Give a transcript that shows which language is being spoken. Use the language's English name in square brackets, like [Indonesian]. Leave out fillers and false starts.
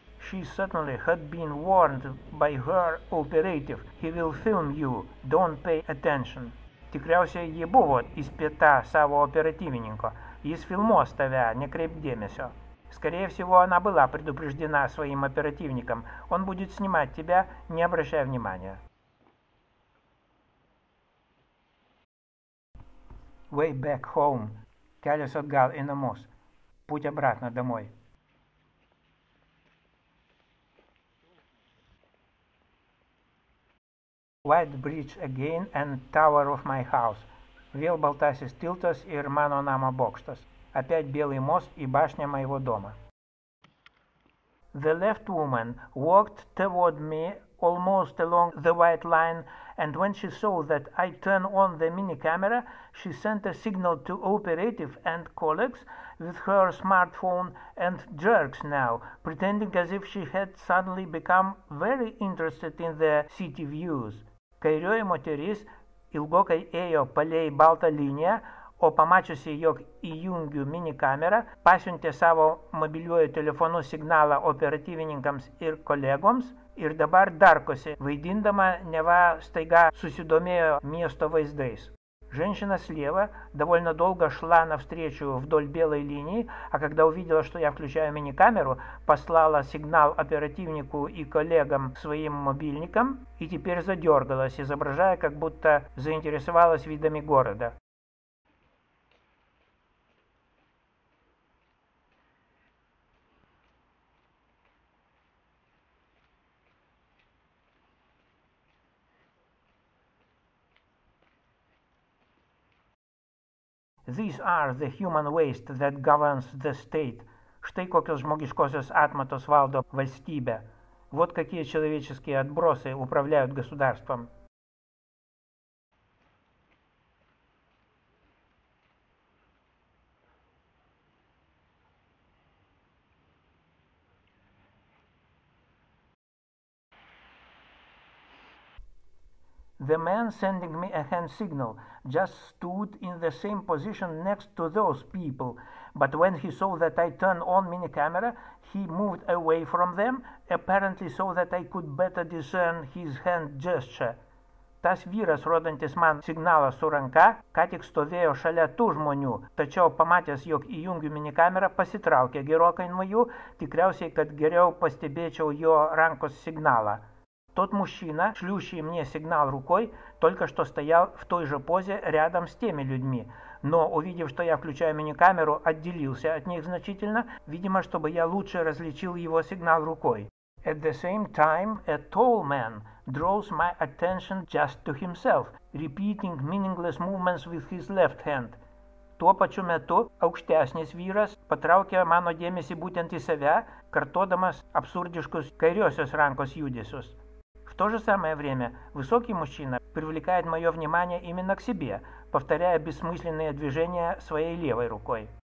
[English] She certainly had been warned by her operative. He will film you. Don't pay attention. [Lithuanian] Tikriausiai ji buvo įspėta savo operatyvininko. Jis filmuos tave, nekreip dėmesio. [Russian] Скорее всего, она была предупреждена своим оперативником. Он будет снимать тебя, не обращая внимания. [English] Way back home. [Lithuanian] Келес отгал и намос. [Russian] Путь обратно домой. [English] White bridge again and tower of my house. [Lithuanian] Vėl baltasis tiltas ir mano namo bokštas. [Russian] Опять белый мост и башня моего дома. [English] The left woman walked toward me almost along the white line, and when she saw that I turned on the mini camera, she sent a signal to operative and colleagues with her smartphone and jerks now, pretending as if she had suddenly become very interested in the city views. [Lithuanian] Kairioji moteris ilgokai ėjo palei baltą liniją, o pamačiusi, jog įjungiu mini kamerą, pasiuntė savo mobiliuoju telefonu signalą operatyvininkams ir kolegoms ir dabar darkosi, vaidindama neva staiga susidomėjo miesto vaizdais. [Russian] Женщина слева довольно долго шла навстречу вдоль белой линии, а когда увидела, что я включаю мини-камеру, послала сигнал оперативнику и коллегам своим мобильникам и теперь задергалась, изображая, как будто заинтересовалась видами города. [English] These are the human waste that governs the state. [Lithuanian] Štai kokios žmogiškosios atmatos valdo valstybę. [Russian] Вот какие человеческие отбросы управляют государством. [English] The man sending me a hand signal just stood in the same position next to those people, but when he saw that I turned on mini camera, he moved away from them, apparently so that I could better discern his hand gesture. [Lithuanian] Tas vyras, rodantis man signalą su ranka, ką tik stovėjo šalia tų žmonių, tačiau pamatęs, jog įjungiu mini kamerą, pasitraukė gerokai nuo jų, tikriausiai, kad geriau pastebėčiau jo rankos signalą. [Russian] Тот мужчина, шлющий мне сигнал рукой, только что стоял в той же позе рядом с теми людьми, но, увидев, что я включаю мини-камеру, отделился от них значительно, видимо, чтобы я лучше различил его сигнал рукой. [English] At the same time, a tall man draws my attention just to himself, repeating meaningless movements with his left hand. [Lithuanian] Tuo pačiu metu aukštesnis vyras patraukė mano dėmesį būtent į save, kartodamas absurdiškus kairiosios rankos judesius. [Russian] В то же самое время высокий мужчина привлекает мое внимание именно к себе, повторяя бессмысленные движения своей левой рукой.